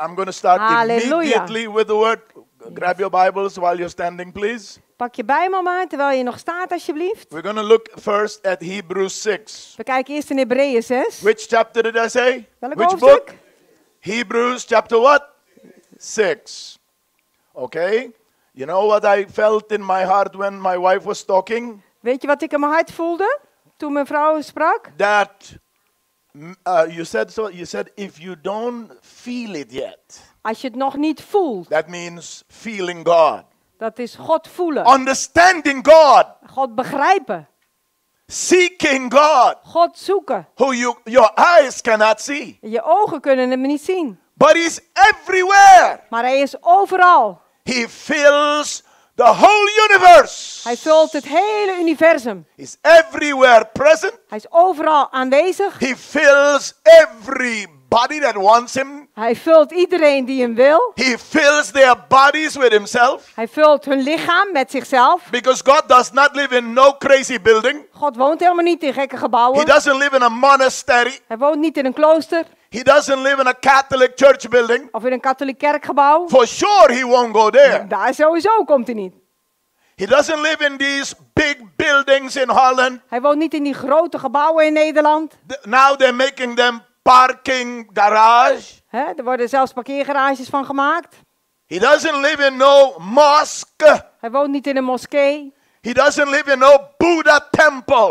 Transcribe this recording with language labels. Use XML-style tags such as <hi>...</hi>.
<en>I'm going to start immediately with the word. Grab your Bibles while you're standing, please.</en> <nl>Pak je Bijbel maar terwijl je nog staat, alsjeblieft.</nl> <en>We're going to look first at Hebrews 6.</en> <nl>We kijken eerst in Hebreeën 6.</nl> <en>Which chapter did I say?</en> <nl>Welk</nl> <en>Which</en> <nl>hoofdstuk?</nl> <en>Book? Hebrews chapter what? 6. Okay. You know what I felt in my heart when my wife was talking?</en> <nl>Weet je wat ik in mijn hart voelde toen mijn vrouw sprak?</nl> <en>That you said if you don't feel it yet.</en> <nl>Als je het nog niet voelt.</nl> <en>That means feeling God.</en> <nl>Dat is God voelen.</nl> <en>Understanding God.</en> <nl>God begrijpen.</nl> <en>Seeking God.</en> <nl>God zoeken.</nl> <en>Who your eyes cannot see.</en> <nl>Je ogen kunnen hem niet zien.</nl> <en>But he's everywhere.</en> <nl>Maar hij is overal.</nl> <en>He fills the whole universe.</en> <nl>Hij vult het hele universum.</nl> <en>He's everywhere present.</en> <nl>Hij is overal aanwezig.</nl> <en>He fills every body that wants him.</en> <nl>Hij vult iedereen die hem wil.</nl> <en>He fills their bodies with himself.</en> <nl>Hij vult hun lichaam met zichzelf.</nl> <en>Because God does not live in no crazy building.</en> <nl>God woont helemaal niet in gekke gebouwen.</nl> <en>He doesn't live in a monastery.</en> <nl>Hij woont niet in een klooster.</nl> <en>He doesn't live in a Catholic church building.</en> <nl>Of in een katholiek kerkgebouw.</nl> <en>For sure he won't go there.</en> <nl>Ja, daar sowieso komt hij niet.</nl> <en>He doesn't live in these big buildings in Holland.</en> <nl>Hij woont niet in die grote gebouwen in Nederland.</nl> <en>Now they're making them parking garage.</en> <nl>He, er worden zelfs parkeergarages van gemaakt.</nl> <en>He doesn't live in no mosque.</en> <nl>Hij woont niet in een moskee.</nl> <en>He doesn't live in no Buddha temple.</en>